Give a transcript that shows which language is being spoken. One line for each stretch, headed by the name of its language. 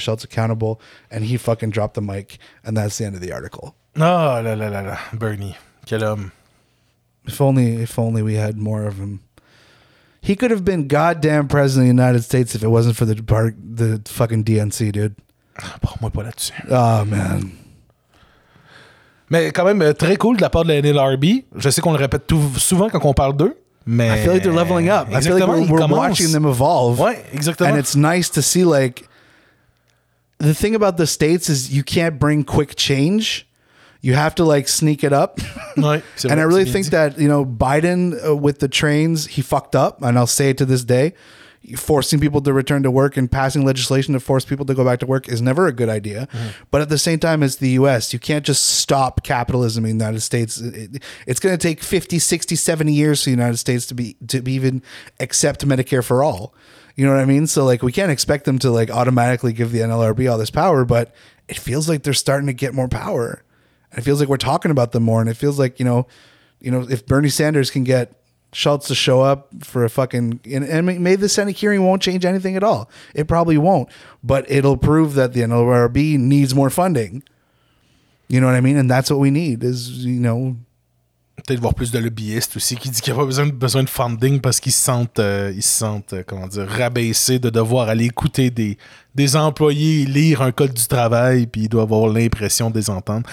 English: Schultz accountable. And he fucking dropped the mic. And that's the end of the article.
French: Oh, la la la la. Bernie. Quel homme.
English: If only we had more of him. He could have been goddamn president of the United States if it wasn't for the fucking DNC, dude.
French: Parle-moi pas là-dessus.
English: Oh, man.
French: Mais quand même, très cool de la part de la NLRB. Je sais qu'on le répète souvent quand on parle d'eux. Mais
English: I feel like they're leveling up. I feel like we're watching them evolve.
French: Ouais, exactement.
English: And it's nice to see, like, the thing about the States is you can't bring quick change. You have to, like, sneak it up.
French: Ouais, c'est
English: and
French: vrai,
English: I really think that, you know, Biden with the trains, he fucked up. And I'll say it to this day. Forcing people to return to work and passing legislation to force people to go back to work is never a good idea. Mm-hmm. But at the same time, it's the U.S. You can't just stop capitalism in the United States. It's going to take 50, 60, 70 years for the United States to be even accept Medicare for all. You know what I mean? So, like, we can't expect them to, like, automatically give the NLRB all this power, but it feels like they're starting to get more power. And it feels like we're talking about them more. And it feels like, you know, if Bernie Sanders can get Schultz to show up for a fucking, and maybe the Senate hearing won't change anything at all. It probably won't, but it'll prove that the NLRB needs more funding. You know what I mean? And that's what we need is, you know.
French: Peut-être voir plus de lobbyistes aussi qui dit qu'il n'y a pas besoin de funding parce qu'ils se sentent comment dire, rabaissés de devoir aller écouter des employés lire un code du travail puis ils doivent avoir l'impression de les entendre.